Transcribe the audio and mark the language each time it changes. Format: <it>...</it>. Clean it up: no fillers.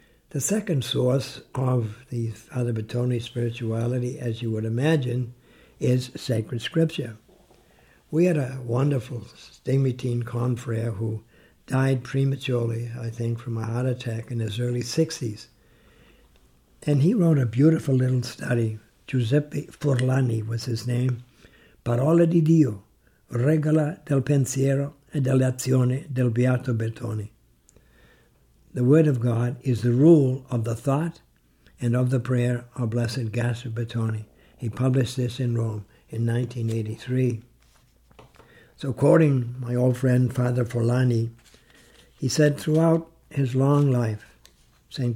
<en>The second source of the Father Bertone spirituality, as you would imagine, is Sacred Scripture. We had a wonderful Stigmatine confrere who died prematurely, I think, from a heart attack in his early 60s. And he wrote a beautiful little study. Giuseppe Furlani was his name.</en> <it>Parole di Dio, Regola del Pensiero e dell'Azione del Beato Bertone.</it> <en>The Word of God is the rule of the thought and of the prayer of Blessed Gaspar Bertone. He published this in Rome in 1983. So quoting my old friend Father Furlani, he said, throughout his long life, St.</en>